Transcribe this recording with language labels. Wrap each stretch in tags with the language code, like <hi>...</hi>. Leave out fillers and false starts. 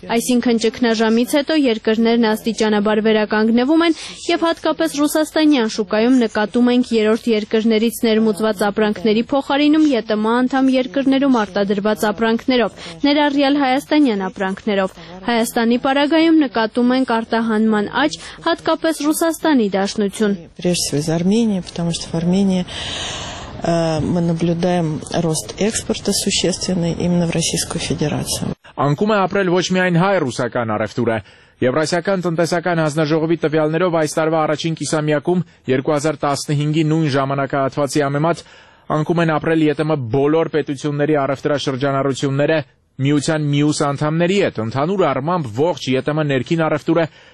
<hy>Այսինքն ճգնաժամից հետո երկրներն աստիճանաբար վերականգնվում են եւ հատկապես ռուսաստանյան շուկայում նկատում ենք երրորդ երկրներից ներմուծված ապրանքների փոխարինում ԵՏՄ անդամ երկրներում արտադրված ապրանքներով, ներառյալ հայաստանյան ապրանքներով։ Հայաստանի պարագայում նկատում ենք արտահանման աճ, հատկապես Ռուսաստանի դաշնություն։</hy> <ru>Прежде всего Армения, потому что в Армении мы наблюдаем рост экспорта существенный именно в Российскую Федерацию։</ru> <hy>Անկում է ապրել ոչ միայն հայ-ռուսական առևտուրը։ Եվրասիական տնտեսական հանձնաժողովի տվյալներով այս տարվա առաջին կիսամյակում 2015-ի նույն ժամանակահատվածի համեմատ անկում են ապրել ԵՏՄ բոլոր պետությունների առևտրաշրջանառությունները միության մյուս անդամների հետ, ընդհանուր առմամբ ողջ ԵՏՄ ներքին առևտուրը</hy>